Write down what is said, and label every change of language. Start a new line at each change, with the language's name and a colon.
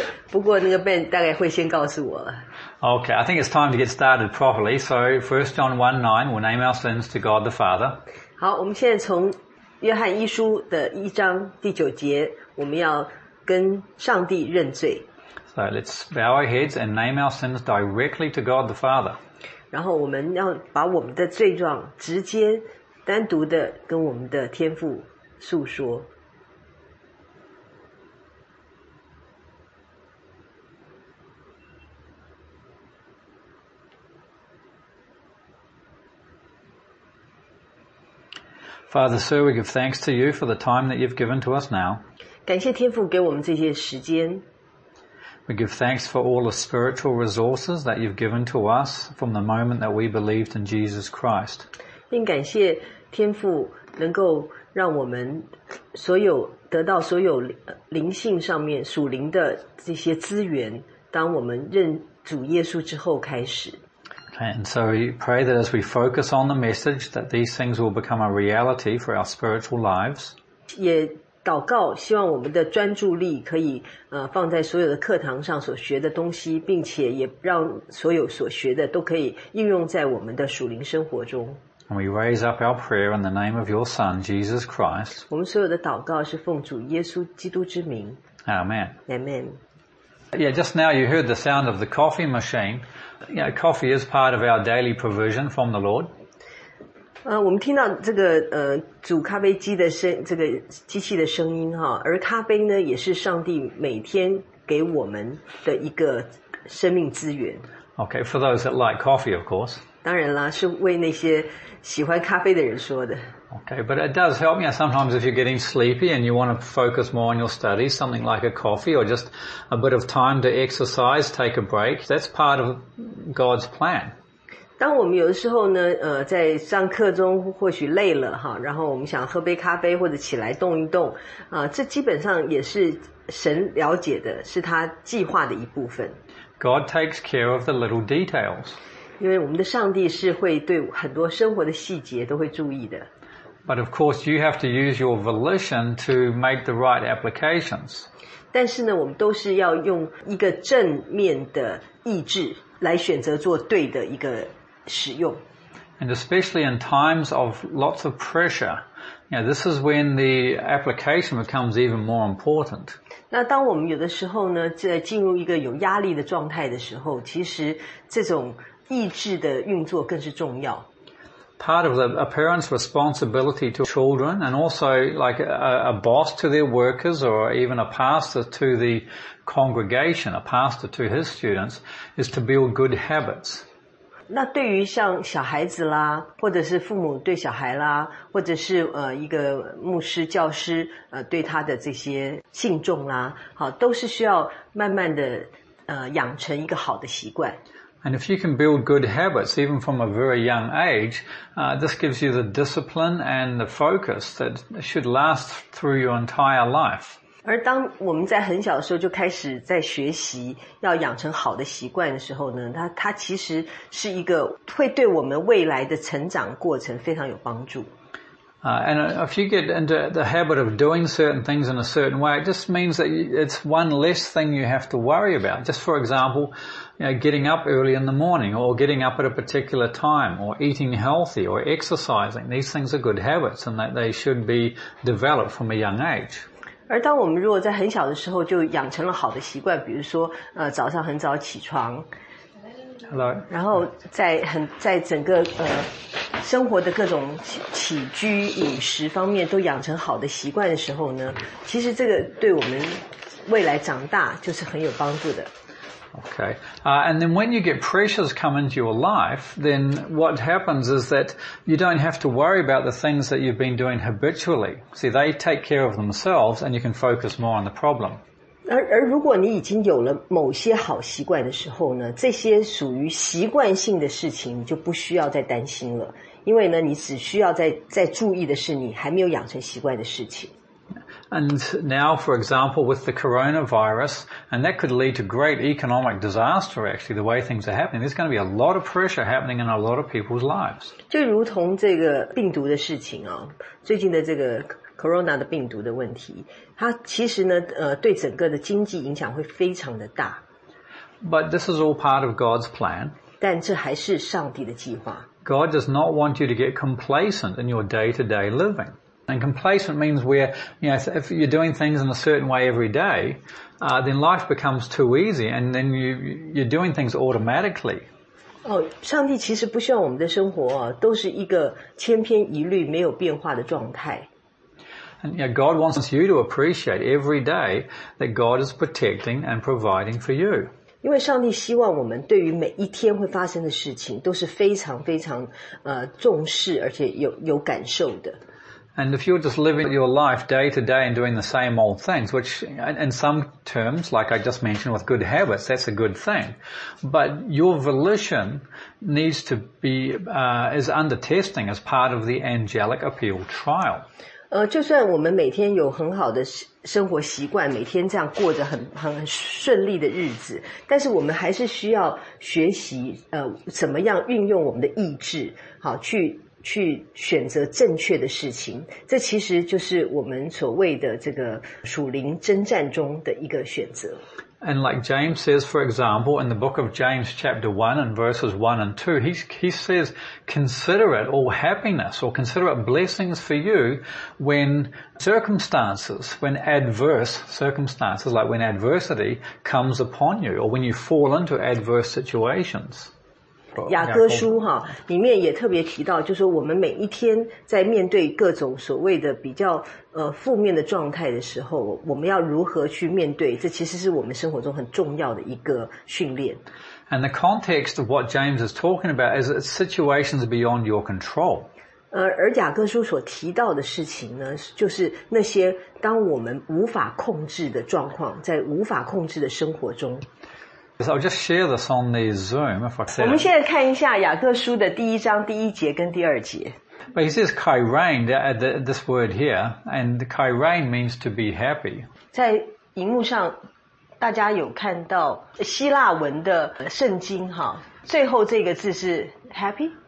Chinese: 不过那个 Ben 大概会先告诉我了。
English: Okay, I think it's time to get started properly. So, 1 John 1:9, we'll name our sins to God the Father.
Chinese: 好，我们现在从约翰一书的一章第九节，我们要跟上帝认罪。
English: So, let's bow our heads and name our sins directly to God the Father.
Chinese: 然后我们要把我们的罪状直接单独的跟我们的天父诉说。
English: Father, sir, we give thanks to you for the time that you've given to us now.
Chinese: 感谢天父给我们这些时间。
English: We give thanks for all the spiritual resources that you've given to us from the moment that we believed in Jesus Christ.
Chinese: 并感谢天父能够让我们所有得到所有灵性上面属灵的这些资源，当我们认主耶稣之后开始。
English: And so we pray that as we focus on the message, that these things will become a reality for our spiritual lives.
Chinese: 也祷告，希望我们的专注力可以放在所有的课堂上所学的东西，并且也让所有所学的都可以应用在我们的属灵生活中。
English: And we raise up our prayer in the name of your Son, Jesus Christ.
Chinese: 我们所有的祷告是奉主耶稣基督之名。
English: Amen. Amen. Yeah, just now you heard the sound of the coffee machine. Yeah, coffee is part of our daily provision from the Lord.
Chinese: 我们听到这个煮咖啡机的声，这个机器的声音哈，而咖啡呢，也是上帝每天给我们的一个生命资源。
English: Okay, for those that like coffee, of course.
Chinese: 当然啦，是为那些喜欢咖啡的人说的。
English: Okay, but it does help me sometimes if you're getting sleepy and you want to focus more on your studies, something like a coffee or just a bit of time to exercise, take a break. That's part of God's plan.
Chinese: 当我们有的时候呢，在上课中或许累了哈，然后我们想喝杯咖啡或者起来动一动，这基本上也是神了解的，是他计划的一部分。
English: God takes care of the little details.
Chinese: 因为我们的上帝是会对很多生活的细节都会注意的。
English: But of course, you have to use your volition to make the right applications.
Chinese: 但是呢，我们都是要用一个正面的意志来选择做对的一个使用。
English: And especially in times of lots of pressure, you know, this is when the application becomes even more important.
Chinese: 那当我们有的时候呢，在进入一个有压力的状态的时候，其实这种意志的运作更是重要。
English: Part of a parent's responsibility to children and also like a boss to their workers or even a pastor to the congregation, a pastor to his students, is to build good habits.
Chinese: 那对于像小孩子啦，或者是父母对小孩啦，或者是一个牧师教师对他的这些信众啦，好，都是需要慢慢的养成一个好的习惯。
English: And if you can build good habits, even from a very young age, this gives you the discipline and the focus that should last through your entire life.
Chinese: 而当我们在很小的时候就开始在学习要养成好的习惯的时候呢 它其实是一个会对我们未来的成长过程非常有帮助。
English: And if you get into the habit of doing certain things in a certain way, it just means that it's one less thing you have to worry about. Just for example, you know, getting up early in the morning or getting up at a particular time or eating healthy or exercising. These things are good habits and that they should be developed from a young age.
Chinese: 而当我们如果在很小的时候就养成了好的习惯，比如说，早上很早起床，
English: Hello.
Chinese: 然后在整个生活的各种起居饮食方面都养成好的习惯的时候呢，其实这个对我们未来长大就是很有帮助的。
English: Okay. And then when you get pressures come into your life, then what happens is that you don't have to worry about the things that you've been doing habitually. See, they take care of themselves and you can focus more on the problem.
Chinese: 而如果你已经有了某些好习惯的时候呢，这些属于习惯性的事情你就不需要再担心了。因为呢，你只需要再注意的是你还没有养成习惯的事情。
English: And now, for example, with the coronavirus, and that could lead to great economic disaster, actually, the way things are happening. There's going to be a lot of pressure happening in a lot of people's lives.
Chinese: 就如同这个病毒的事情哦，最近的这个 corona 的病毒的问题，它其实呢，对整个的经济影响会非常的大。
English: But this is all part of God's plan.
Chinese: 但这还是上帝的计划。
English: God does not want you to get complacent in your day-to-day living. And complacent means where, you know, if you're doing things in a certain way every day, then life becomes too easy and then you're doing things automatically.
Chinese: Oh, 上帝其实不希望我们的生活啊，都是一个千篇一律没有变化的状态。
English: And you know, God wants you to appreciate every day that God is protecting and providing for you.
Chinese: 因为上帝希望我们对于每一天会发生的事情都是非常非常重视而且有感受的。
English: And if you're just living your life day to day and doing the same old things, which in some terms, like I just mentioned with good habits, that's a good thing. But your volition needs to be, is under testing as part of the angelic appeal trial.
Chinese: 就算我们每天有很好的生活习惯，每天这样过着很顺利的日子，但是我们还是需要学习，怎么样运用我们的意志，好，去选择正确的事情，这其实就是我们所谓的这个属灵征战中的一个选择。
English: And like James says, for example, in the book of James chapter 1 and verses 1 and 2, he says, consider it all happiness or consider it blessings for you when adverse circumstances, like when adversity comes upon you or when you fall into adverse situations.
Chinese: 雅各书哈里面也特别提到，就是说我们每一天在面对各种所谓的比较负面的状态的时候，我们要如何去面对，这其实是我们生活中很重要的一个训练。
English: And the context of what James is talking about is situations beyond your control.
Chinese: 而雅各书所提到的事情呢，就是那些当我们无法控制的状况，在无法控制的生活中。
English: I'll just share this on the Zoom if I said.
Chinese: 我们现在看一下雅各书的第一章第一节跟第二节。
English: But he says kairain, this word here, and kairain means to be happy.
Chinese: 在荧幕上，大家有看到希腊文的圣经哈，最后这个字是 happy。